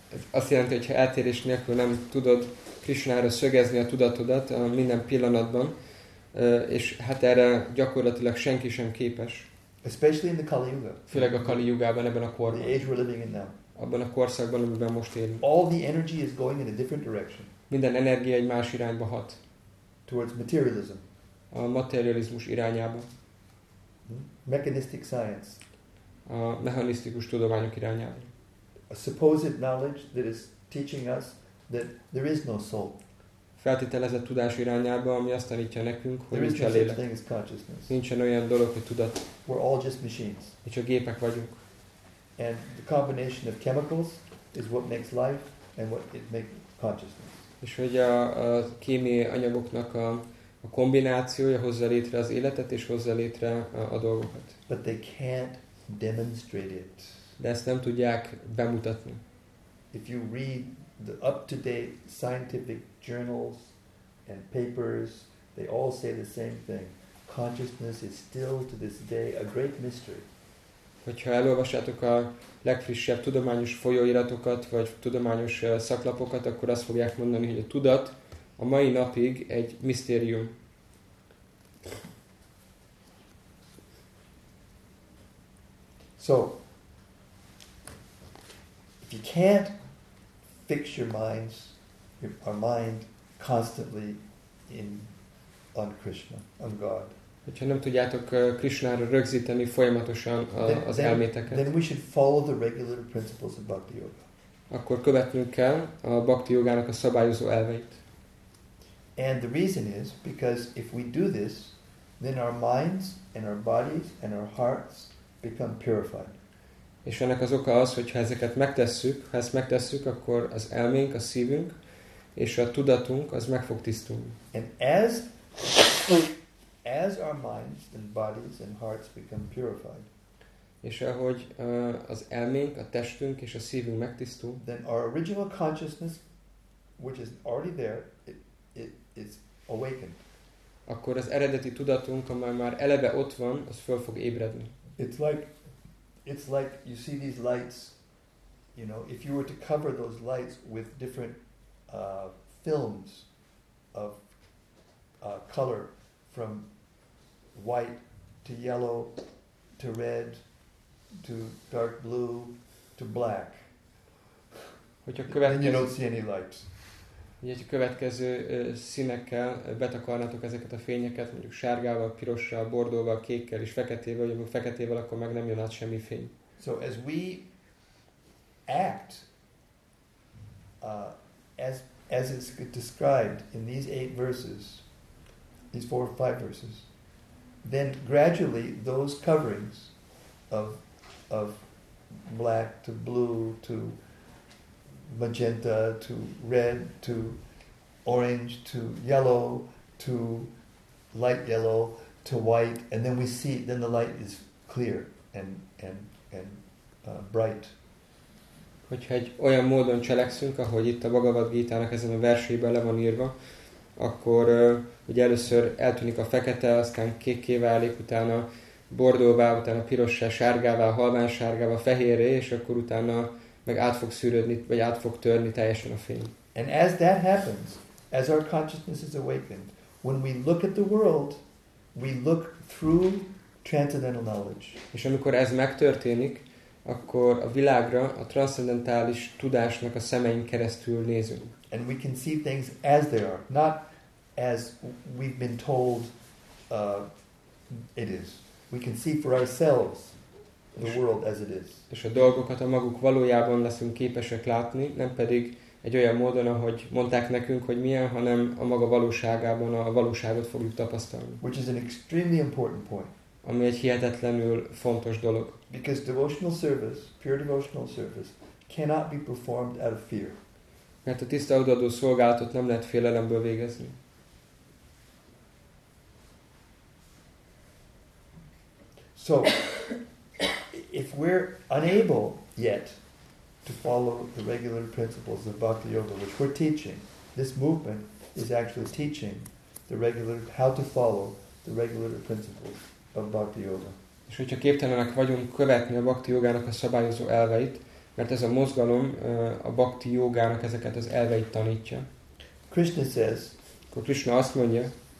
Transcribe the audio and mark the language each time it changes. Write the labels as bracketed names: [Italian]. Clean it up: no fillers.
[Hungarian] Azt jelenti, hogy ha eltérés nélkül nem tudod Krishnára szögezni a tudatodat a minden pillanatban, és hát erre gyakorlatilag senki sem képes. [English] Especially in the Kali Yuga. [Hungarian] Főleg a Kali Yugában, ebben a korban. [English] The age we're living in now. [Hungarian] Abban a korszakban, amiben most élünk. [English] All the energy is going in a different direction. [Hungarian] Minden energia egy más irányba hat. [English] Towards materialism. [Hungarian] A materializmus irányába. [English] Mechanistic science. [Hungarian] A mechanisztikus tudományok irányába. [English] A supposed knowledge that is teaching us that there is no soul. [Hungarian] Feltételezett tudás irányába, ami azt tanítja nekünk, hogy [English] there [Hungarian] nincs a lélek. [English] Thing is consciousness. [Hungarian] Nincsen olyan dolog, hogy tudat. [English] We're all just machines. [Hungarian] Mi csak gépek vagyunk. [English] And the combination of chemicals is what makes life and what it makes consciousness. [Hungarian] És hogy a kémiai anyagoknak a kombinációja hozza létre az életet és hozza létre a dolgokat. [English] But they can't demonstrate it. [Hungarian] De ezt nem tudják bemutatni. [English] If you read the up-to-date scientific journals and papers, they all say the same thing. Consciousness is still to this day a great mystery. [Hungarian] Hogyha elolvassátok a legfrissebb tudományos folyóiratokat, vagy tudományos szaklapokat, akkor azt fogják mondani, hogy a tudat a mai napig egy misztérium. [English] So, if you can't fix your minds, our mind constantly on Krishna, on God, [Hungarian] hogyha nem tudjátok Krishnára rögzíteni folyamatosan az elméteket, [English] then we should follow the regular principles of bhakti yoga. [Hungarian] Akkor követnünk kell a bhakti yogának a szabályozó elveit. [English] And the reason is because if we do this, then our minds and our bodies and our hearts become purified. [Hungarian] És ennek az oka az, hogy ha ezeket megtesszük, ha ezt megtesszük, akkor az elménk, a szívünk és a tudatunk az meg fog tisztulni. [English] And as our minds and bodies and hearts become purified, [Hungarian] és ahogy az elménk, a testünk és a szívünk megtisztul, [English] then our original consciousness, which is already there, it's awakened. [Hungarian] Akkor az eredeti tudatunk, amely már eleve ott van, az föl fog ébredni. [English] It's like you see these lights, you know, if you were to cover those lights with different films of color, from white to yellow to red to dark blue to black, [Hungarian] hogyha következő, [English] then you don't see any lights. [Hungarian] Hogyha következő színekkel betakarnátok ezeket a fényeket, mondjuk sárgával, pirossal, bordóval, kékkel és feketével, vagy mondjuk feketével, akkor meg nem jön át semmi fény. [English] So as we act, as it's described in these eight verses, these four or five verses, then gradually those coverings of black to blue to magenta to red to orange to yellow to light yellow to white, and then we see, then the light is clear and bright. [Hungarian] Hogyha egy olyan módon cselekszünk, ahogy itt a Bhagavad Gita-nak ezen a versében le van írva, akkor ugye először eltűnik a fekete, aztán kékké válik, utána bordóvá, utána pirossá, sárgává, halványsárgává, fehérré, és akkor utána meg át fog szűrődni, vagy át fog törni teljesen a fény. [English] And as that happens, as our consciousness is awakened, when we look at the world, we look through transcendental knowledge. [Hungarian] És amikor ez megtörténik, akkor a világra a transzcendentális tudásnak a szemein keresztül nézünk. [English] And we can see things as they are, not as we've been told it is. We can see for ourselves the world as it is. [Hungarian] És a dolgokat a maguk valójában leszünk képesek látni, nem pedig egy olyan módon, ahogy mondták nekünk, hogy milyen, hanem a maga valóságában a valóságot fogjuk tapasztalni. [English] Which is an extremely important point. [Hungarian] Ami egy hihetetlenül fontos dolog. [English] Because devotional service, pure devotional service, cannot be performed out of fear. [Hungarian] Mert a tiszta odaadó szolgálatot nem lehet félelemből végezni. [English] So, if we're unable yet to follow the regular principles of Bhakti Yoga, which we're teaching, this movement is actually teaching the regular how to follow the regular principles of Bhakti Yoga. [Hungarian] És hogyha képtelenek vagyunk követni a Bhakti Yogának a szabályozó elveit, mert ez a mozgalom a Bhakti Yogának ezeket az elveit tanítja. [English] Krishna says, [Hungarian] akkor Krishna azt mondja,